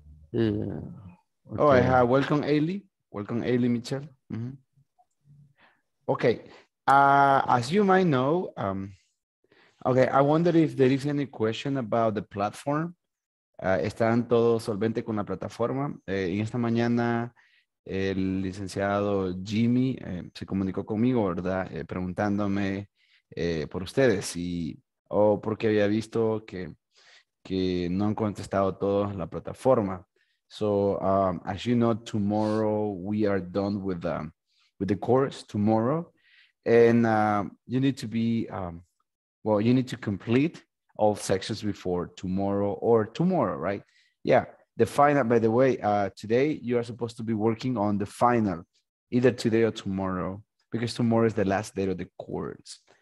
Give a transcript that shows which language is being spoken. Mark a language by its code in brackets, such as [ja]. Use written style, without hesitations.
[en] Yeah. Okay. Oh, I have welcome Ailey. Welcome Ailey Mitchell. Mm-hmm. Okay. As you might know, okay, I wonder if there is any question about the platform. [es] Están todos solvente con la plataforma. En esta mañana el licenciado Jimmy se comunicó conmigo, ¿verdad? Preguntándome por ustedes y porque había visto que no han contestado todos la plataforma. [en] So, as you know, tomorrow we are done with the course tomorrow. And you need to be, well, you need to complete all sections before tomorrow or tomorrow, right? Yeah, the final, by the way, today you are supposed to be working on the final, either today or tomorrow, because tomorrow is the last day of the course.